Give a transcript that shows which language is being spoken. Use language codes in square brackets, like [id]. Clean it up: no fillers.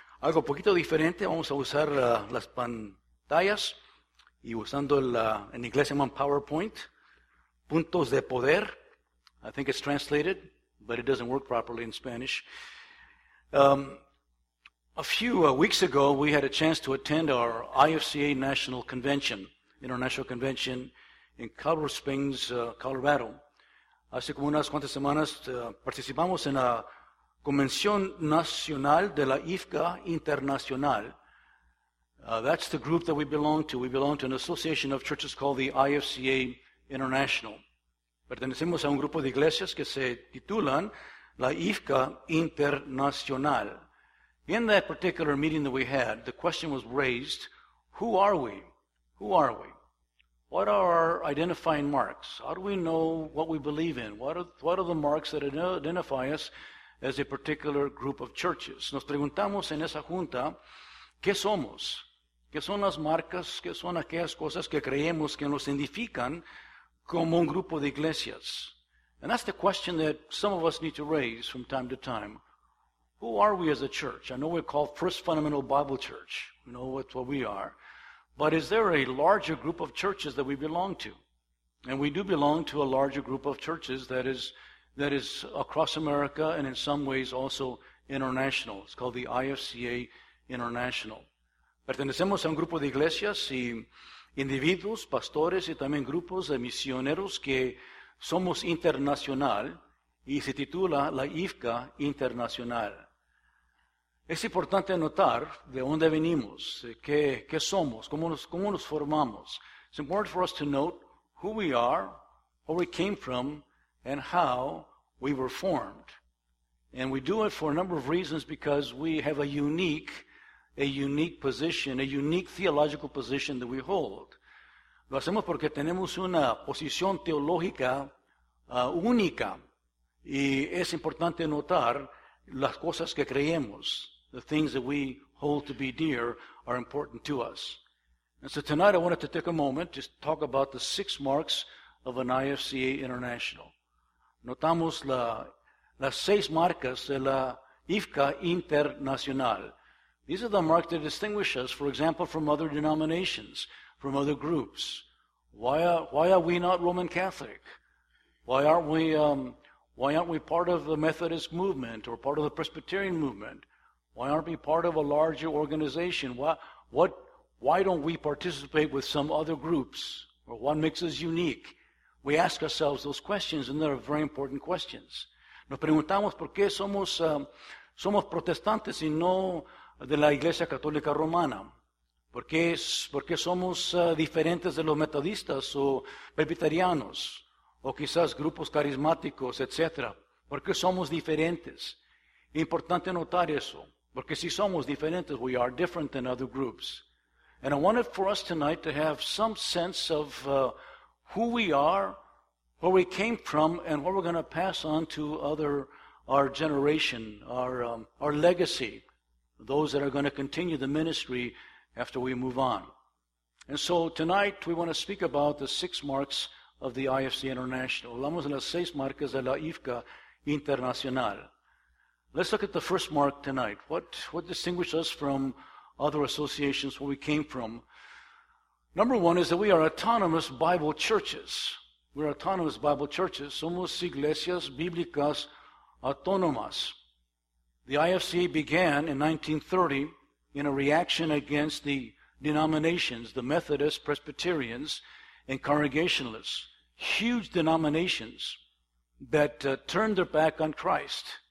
[es] algo poquito diferente, vamos a usar las pantallas y usando en inglés se llama PowerPoint, puntos de poder. [en] I think it's translated, but it doesn't work properly in Spanish. A few weeks ago, we had a chance to attend our IFCA National Convention, International Convention in Colorado Springs, Colorado. [es] Hace como unas cuantas semanas participamos en la Convención Nacional de la IFCA Internacional. [en] That's the group that we belong to. We belong to an association of churches called the IFCA International. [es] Pertenecemos a un grupo de iglesias que se titulan la IFCA Internacional. [en] In that particular meeting that we had, the question was raised, who are we? Who are we? What are our identifying marks? How do we know what we believe in? What are the marks that identify us as a particular group of churches? [es] Nos preguntamos en esa junta, ¿qué somos? ¿Qué son las marcas? ¿Qué son aquellas cosas que creemos que nos identifican como un grupo de iglesias? [en] And that's the question that some of us need to raise from time to time. Who are we as a church? I know we're called First Fundamental Bible Church. You know what's what we are. But is there a larger group of churches that we belong to? And we do belong to a larger group of churches that is across America and in some ways also international. It's called the IFCA International. [es] Pertenecemos a un grupo de iglesias y individuos, pastores y también grupos de misioneros que somos internacional y se titula la IFCA Internacional. Es importante notar de dónde venimos, qué somos, cómo nos formamos. [en] It's important for us to note who we are, where we came from, and how we were formed. And we do it for a number of reasons because we have a unique position, a unique theological position that we hold. [es] Lo hacemos porque tenemos una posición teológica única. Y es importante notar las cosas que creemos. [en] The things that we hold to be dear are important to us. And so tonight I wanted to take a moment to talk about the six marks of an IFCA International. [es] Notamos las seis marcas de la IFCA Internacional. [en] These are the marks that distinguish us, for example, from other denominations, from other groups. Why are we not Roman Catholic? Why aren't we part of the Methodist movement or part of the Presbyterian movement? Why aren't we part of a larger organization? Why don't we participate with some other groups? Or what makes us unique? We ask ourselves those questions, and they're very important questions. [es] Nos preguntamos por qué somos protestantes y no de la Iglesia Católica Romana. ¿Por qué somos diferentes de los metodistas o presbiterianos o quizás grupos carismáticos, etcétera? ¿Por qué somos diferentes? Importante notar eso, porque si somos diferentes, [en] we are different than other groups. And I wanted for us tonight to have some sense of who we are, where we came from, and what we're going to pass on to our generation, our legacy, those that are going to continue the ministry after we move on. And so tonight we want to speak about the six marks of the IFCA International. [es] Hablamos de las seis marcas de la IFCA Internacional. [en] Let's look at the first mark tonight. What distinguishes us from other associations where we came from? Number one is that we are autonomous Bible churches. We're autonomous Bible churches. [es] Somos iglesias bíblicas autónomas. [en] The IFCA began in 1930 in a reaction against the denominations, the Methodists, Presbyterians, and Congregationalists, huge denominations that turned their back on Christ.